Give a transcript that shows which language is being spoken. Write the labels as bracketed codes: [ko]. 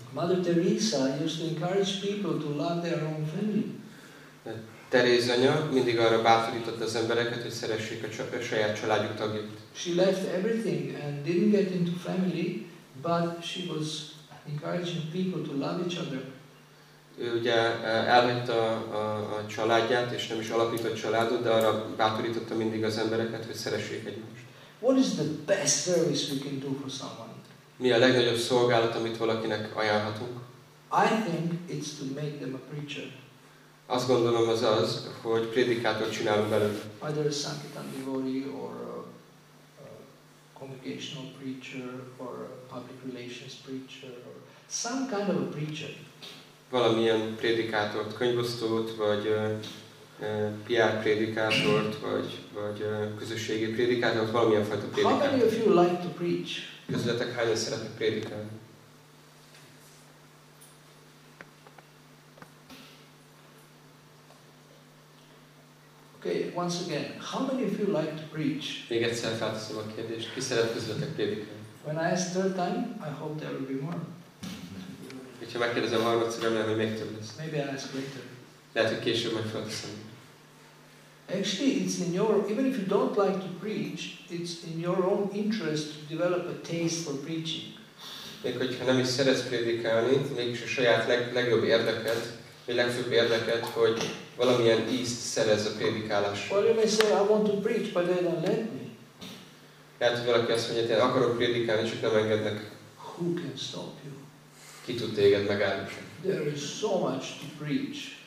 [en] Mother Teresa used to encourage people to love their own family. [hu] Teréz anya mindig arra bátorított az embereket, hogy szeressék a saját családjuk tagjait. [en] She left everything and didn't get into family, but she was encouraging people to love each other. [hu] Ő ugye elhagyta a családját, és nem is alapított családot, de arra bátorította mindig az embereket, hogy szeressék egymást. [en] What is the best service we can do for someone? [hu] Mi a legnagyobb szolgálat, amit valakinek ajánlhatunk? [en] I think it's to make them a preacher. [hu] Azt gondolom az az, hogy prédikátor csinálunk belőle. [en] Either a sankirtan devotee or a congregational preacher or a public relations preacher or some kind of a preacher. [hu] Valamilyen prédikátort, könyvosztót, vagy PR prédikátort, vagy közösségi prédikátort, valamilyen fajta prédikátort. [en] How many of you like to preach? [hu] Közületek hányan szeretnek prédikálni? [en] Okay, once again, how many of you like to preach? [hu] Még egyszer felteszem a kérdést, ki szeret közületek prédikálni? [en] When I ask third time, I hope there will be more. [hu] Hogyha megkérdezem harmadszor, remélem, hogy még több lesz. [en] Maybe I ask later. [hu] Lehet, hogy később majd felteszem. [en] Actually, it's in your, even if you don't like to preach, it's in your own interest to develop a taste for preaching. [hu] Még hogyha nem is szeretsz prédikálni, mégis a saját legjobb érdeket, vagy legfőbb érdeket, hogy valamilyen ízt szerez a prédikálás. [en] Well, you may say, I want to preach, but they don't let me. [hu] Lehet, hogy valaki azt mondja, hogy én akarok prédikálni, csak nem engednek. [en] Who can stop you? [hu] Ki tud téged megállítani? [en] There is so much to preach.